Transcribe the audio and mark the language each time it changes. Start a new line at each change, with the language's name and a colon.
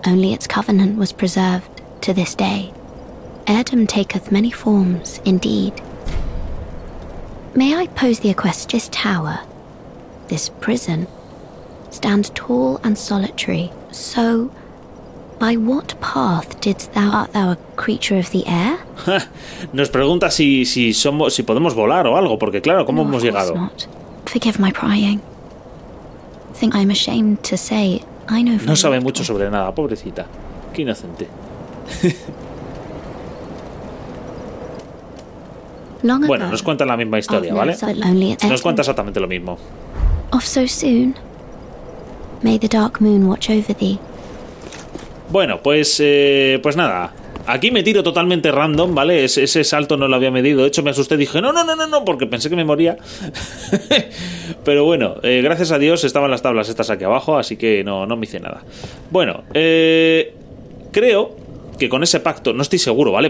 English: Only its covenant was preserved to this day. Erdem taketh many forms, indeed. May I pose thee a question? This tower, this prison, stands tall and solitary. So, by what path didst thou... Art thou a creature of the air?
Spanish: Nos pregunta si podemos volar o algo, porque claro, ¿cómo hemos llegado?
English: Not. Forgive my prying. Think I'm ashamed to say I know...
Spanish: No sabe mucho sobre nada, pobrecita. Qué inocente.
English: Long ago,
Spanish: bueno, nos cuenta la misma historia, ¿vale? Nos cuenta exactamente lo mismo.
English: Off so soon. May the dark moon watch over thee.
Spanish: Bueno, pues nada. Aquí me tiro totalmente random, ¿vale? Ese salto no lo había medido. De hecho, me asusté y dije, no, porque pensé que me moría. Pero bueno, gracias a Dios estaban las tablas estas aquí abajo, así que no me hice nada. Bueno, creo que con ese pacto, no estoy seguro, ¿vale?